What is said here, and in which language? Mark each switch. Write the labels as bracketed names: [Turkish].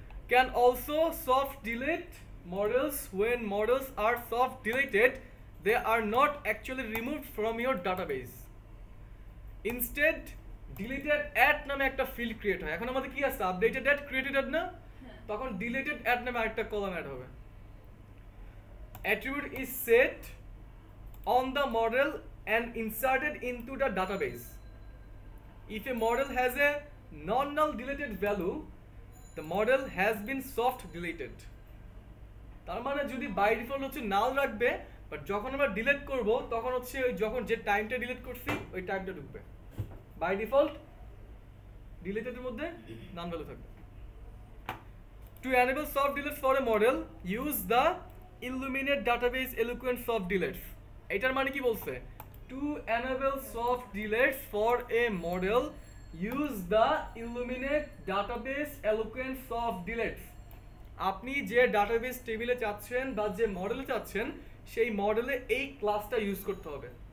[English] can also soft delete models, when models are soft deleted they are not actually removed from your database, instead deleted at [Bangla] নামে একটা field create হয়, এখন আমাদের কি আছে [English] updated at created at না, [Bangla] তখন ডিলেটেড অ্যাট নামে একটা কলাম অ্যাড হবে, [English] Attribute is set on the model and inserted into the database. If a model has a non-null deleted value, the model has been soft deleted. [Bangla] তার মানে যদি by default হচ্ছে নাল রাখবে, but যখন আমরা ডিলিট করব তখন হচ্ছে ওই যখন যে টাইমটা ডিলিট করছি ওই টাইমটা ঢুকবে, বাই ডিফল্ট ডিলিটেডের মধ্যে নাল ভ্যালু থাকবে। [English] to enable soft delete for a model use the Illuminate database Eloquent soft deletes, [Bangla] এটার মানে কি বলছে, [English] to enable soft deletes for a model use the Illuminate database Eloquent soft deletes, [Bangla] আপনি যে ডাটাবেস টেবিলে চাচ্ছেন বা যে মডেলে চাচ্ছেন সেই মডেলে এই ক্লাসটা ইউজ করতে হবে,